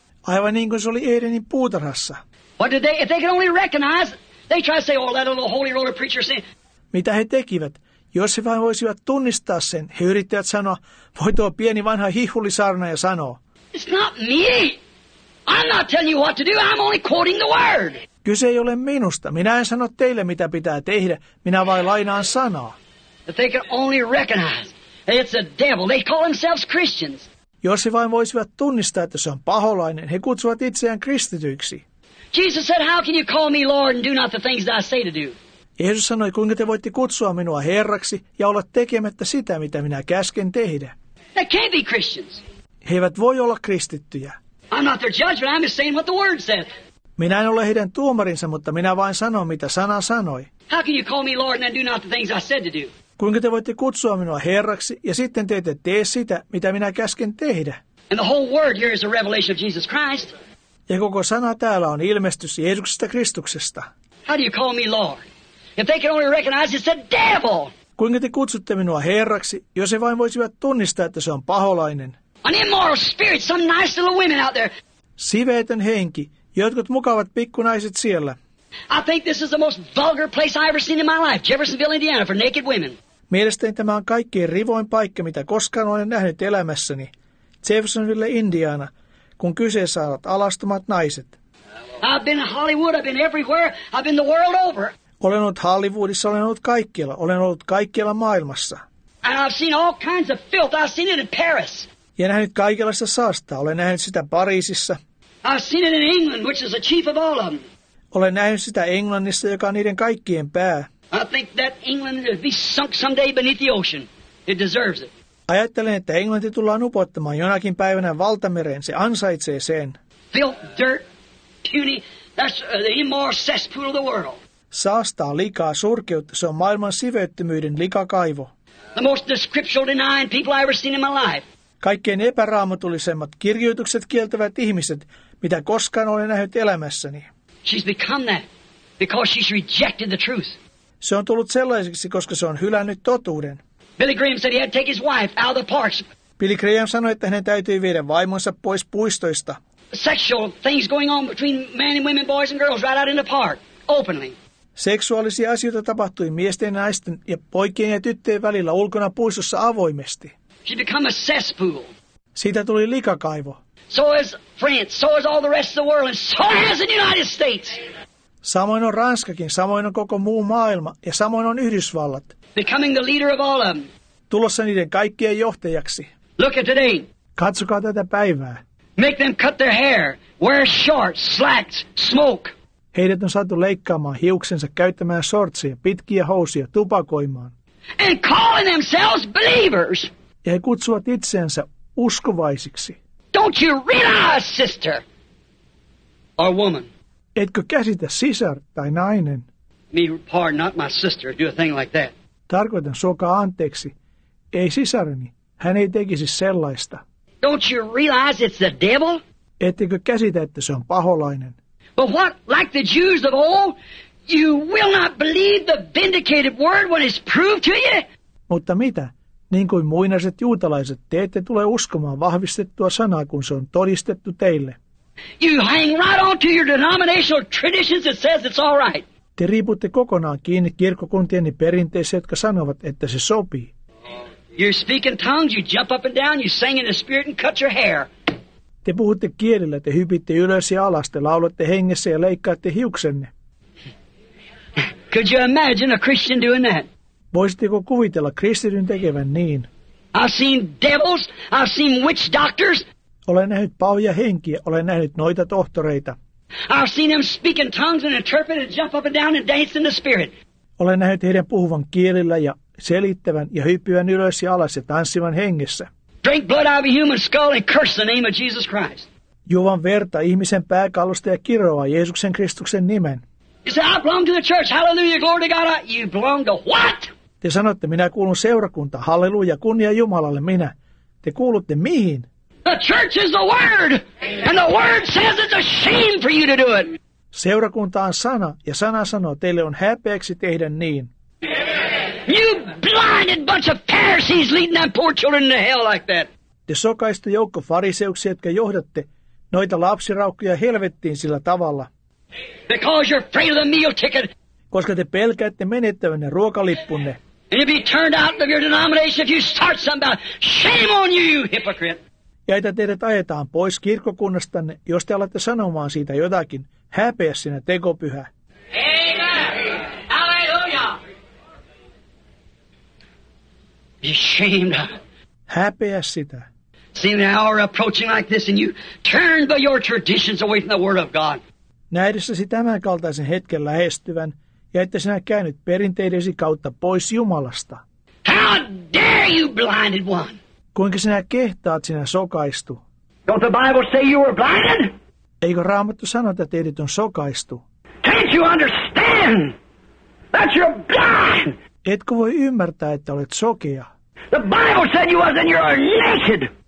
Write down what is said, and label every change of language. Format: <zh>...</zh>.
<fi>Aivan niin kuin se oli Edenin puutarhassa.</fi> <en>What did they, if they could only recognize, they try to say, oh, that little holy roller preacher said.</en> <fi>Mitä he tekivät? Jos he vain voisivat tunnistaa sen, he yrittävät sanoa, voi tuo pieni vanha hihulisaarnaaja sanoa.</fi> <en>It's not me. I'm not telling you what to do. I'm only quoting the word.</en> <fi>Kyse ei ole minusta. Minä en sano teille, mitä pitää tehdä. Minä vain lainaan sanaa.</fi> <en>If they could only recognize that it's a devil. They call themselves Christians.</en> <fi>Jos he vain voisivat tunnistaa, että se on paholainen, he kutsuvat itseään kristityiksi.</fi> <en>Jesus said, how can you call me Lord and do not the things that I say to do?</en> <fi>Jeesus sanoi, kuinka te voitte kutsua minua herraksi ja olla tekemättä sitä, mitä minä käsken tehdä.</fi> <en>They can't be Christians.</en> <fi>He eivät voi olla kristittyjä.</fi> <en>I'm not their judge, but I'm just saying what the word said.</en> <fi>Minä en ole heidän tuomarinsa, mutta minä vain sanon, mitä sana sanoi.</fi> <en>How can you call me Lord and do not the things I said to do?</en> <fi>Kuinka te voitte kutsua minua herraksi ja sitten te ette tee sitä, mitä minä käsken tehdä?</fi> <en>And the whole word here is a revelation of Jesus Christ.</en> <fi>Ja koko sana täällä on ilmestys Jeesuksesta Kristuksesta.</fi> <en>How do you call me Lord? If they can only recognize it's a devil.</en> <fi>Kuinka te kutsutte minua herraksi, jos he vain voisivat tunnistaa, että se on paholainen?</fi> <en>An immoral spirit, some nice little women out there.</en> <fi>Siveetön henki, jotkut mukavat pikkunaiset siellä.</fi> <en>I think this is the most vulgar place I've ever seen in my life, Jeffersonville, Indiana, for naked women.</en> <fi>Mielestäni tämä on kaikkein rivoin paikka, mitä koskaan olen nähnyt elämässäni. Jeffersonville, Indiana, kun kyseessä ovat alastomat naiset.</fi> <en>I've been in Hollywood, I've been everywhere, I've been the world over.</en> <fi>Olen ollut Hollywoodissa, olen ollut kaikkialla maailmassa.</fi> <en>And I've seen all kinds of filth, I've seen it in Paris.</en> <fi>Ja nähnyt kaikenlaista saastaa, olen nähnyt sitä Pariisissa.</fi> <en>I've seen it in England, which is the chief of all of them.</en> <fi>Olen nähnyt sitä Englannissa, joka on niiden kaikkien pää.</fi> <en>I think that England will be sunk someday beneath the ocean. It deserves it.</en> <fi>Ajattelen, että Englanti tullaan upottamaan jonakin päivänä valtamereen, se ansaitsee sen.</fi> <en>Filth, dirt, puny, that's the immoral cesspool of the world.</en> <fi>Saastaa, likaa, surkeutta, se on maailman siveyttömyyden likakaivo.</fi> <en>The most scriptural denying people I've ever seen in my life.</en> <fi>Kaikkein epäraamatullisemmat kirjoitukset kieltävät ihmiset, mitä koskaan olen nähnyt elämässäni.</fi> <en>She's become that because she's rejected the truth.</en> <fi>Se on tullut sellaiseksi, koska se on hylännyt totuuden.</fi> <en>Billy Graham said he had to take his wife out of the parks.</en> <fi>Billy Graham sanoi, että hänen täytyy viedä vaimonsa pois puistoista.</fi> <en>Sexual things going on between men and women, boys and girls right out in the park. Openly.</en> <fi>Seksuaalisia asioita tapahtui miesten, naisten ja poikien ja tyttöjen välillä ulkona puistossa avoimesti.</fi> <en>She became a cesspool.</en> <fi>Siitä tuli likakaivo.</fi> <en>So is France, so is all the rest of the world, and so is the United States.</en> <fi>Samoin on Ranskakin, samoin on koko muu maailma ja samoin on Yhdysvallat.</fi> <en>Becoming the leader of all of them.</en> <fi>Tulossa niiden kaikkien johtajaksi.</fi> <en>Look at today.</en> <fi>Katsokaa tätä päivää.</fi> <en>Make them cut their hair, wear shorts, slacks, smoke.</en> <fi>Heidät on saatu leikkaamaan hiuksensa, käyttämään shortseja, pitkiä housuja, tupakoimaan.</fi> <en>And calling themselves believers.</en> <fi>Ja he kutsuvat itseänsä uskovaisiksi.</fi> <en>Don't you realize, sister, or woman?</en> <fi>Etkö käsitä sisar tai nainen?</fi> <en>Me pardon, not my sister, do a thing like that.</en> <fi>Tarkoitan, suokaa anteeksi. Ei sisareni, hän ei tekisi sellaista.</fi> <en>Don't you realize it's the devil?</en> <fi>Ettekö käsitä, että se on paholainen?</fi> <en>But what, like the Jews of old, you will not believe the vindicated word when it's proved to you?</en> <fi>Mutta mitä? Niin kuin muinaiset juutalaiset, te ette tule uskomaan vahvistettua sanaa, kun se on todistettu teille.</fi> <en>You hang right on to your denominational traditions that says it's all right.</en> <fi>Te riiputte kokonaan kiinni kirkkokuntienne perinteeseen, jotka sanovat, että se sopii.</fi> <en>You speak in tongues, you jump up and down, you sing in the spirit and cut your hair.</en> <fi>Te puhutte kielillä, te hypitte ylös ja alas, te laulatte hengessä ja leikkaatte hiuksenne.</fi> <en>Could you imagine a Christian doing that?</en> <fi>Voisitteko kuvitella kristityn tekevän niin?</fi> <en>I've seen devils, I've seen witch doctors.</en> <fi>Olen nähnyt pahoja henkiä, olen nähnyt noita tohtoreita.</fi> <en>I've seen them speak in tongues and interpret and jump up and down and dance in the spirit.</en> <fi>Olen nähnyt heidän puhuvan kielillä ja selittävän ja hyppivän ylös ja alas ja tanssivan hengessä.</fi> <en>Drink blood out of a human skull and curse the name of Jesus Christ.</en> <fi>Juovan verta ihmisen pääkallosta ja kiroaa Jeesuksen Kristuksen nimen.</fi> <en>You say, I belong to the church, hallelujah, glory to God. You belong to what?</en> <fi>Te sanotte, minä kuulun seurakuntaan, halleluja, kunnia Jumalalle, minä. Te kuulutte mihin?</fi> <en>The church is the word, and the word says it's a shame for you to do it.</en> <fi>Seurakunta on sana, ja sana sanoo, teille on häpeäksi tehdä niin.</fi> <en>You blinded bunch of Pharisees leading that poor children to hell like that.</en> <fi>Te sokaiste joukko fariseuksia, jotka johdatte noita lapsiraukkoja helvettiin sillä tavalla.</fi> <en>Because you're afraid of the meal ticket.</en> <fi>Koska te pelkäätte menettävänne ruokalippunne.</fi> <en>And you'll be turned out of your denomination if you start something about shame on you, you hypocrite.</en> <fi>Ja että teidät ajetaan pois kirkkokunnastanne, jos te alatte sanomaan siitä jotakin. Häpeä sinä tekopyhä.</fi> <en>Amen. Hallelujah. Be ashamed.</en> <fi>Häpeä sitä.</fi> <en>See, an hour approaching like this and you turn by your traditions away from the word of God.</en> <fi>Nähdessäsi tämän kaltaisen hetken lähestyvän ja että sinä käynyt perinteidesi kautta pois Jumalasta.</fi> <en>How dare you, blinded one?</en> <fi>Kuinka sinä kehtaat, sinä sokaistu?</fi> <en>Don't the Bible say you were blinded?</en> <fi>Eikö Raamattu sano, että teidät on sokaistu?</fi> <en>Can't you understand that you're blind?</en> <fi>Etkö voi ymmärtää, että olet sokea?</fi> <en>The Bible said you was and you are naked.</en>